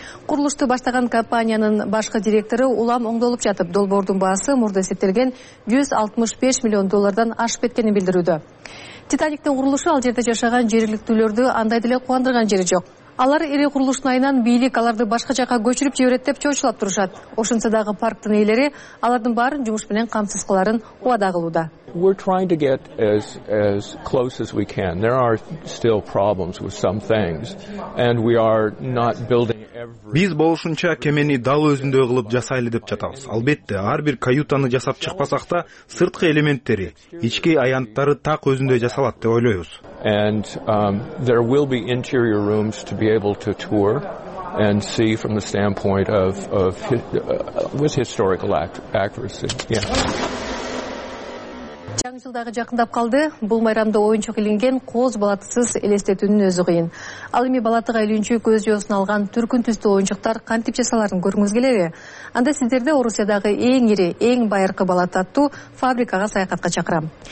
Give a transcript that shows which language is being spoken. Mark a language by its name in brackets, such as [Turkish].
[Kyrgyz] Курулушту баштаган компаниянын башкы директору улам оңдолуп жатып, долбоордун баасы мурда эсептелген 165 миллион доллардан ашып кеткенин билдирүүдө. Титаниктин курулушу ал жерде жашаган жергиликтүүлөрдү андай деле кубандырган жери жок. Алар ири курулуштун айынан бийлик аларды башка жака көчүрүп жиберет деп чоочулап турушат. Ошентсе дагы парктын ээлери алардын баарын жумуш менен камсыз кыларын убада кылууда. [English] We're trying to get as close as we can. There are still problems with some things and we are not building every. [Kyrgyz] Биз болушунча кемени дал өзүндө кылып жасайлы деп жатабыз. Албетте, ар бир каютаны жасап чыкпасак да, сырткы элементтери, ички аянттары так өзүндө жасалат деп ойлойбуз. [English] And there will be interior rooms to be able to tour and see from the standpoint of historical accuracy. Yeah. [Kyrgyz] Жаңы жылдагы жакындап калды. Бул майрамды оюнчук илинген кооз балатысыз элестетүүнүн өзү кыйын. Ал эми балатыга үйлөнчүк көз жоосун алган түркүн түстүү оюнчуктар кантип жасаларын көргүңүз келеби? Анда сиздерди Орусиядагы эң ири, эң байыркы балат аттуу фабрикага саякатка чакырам.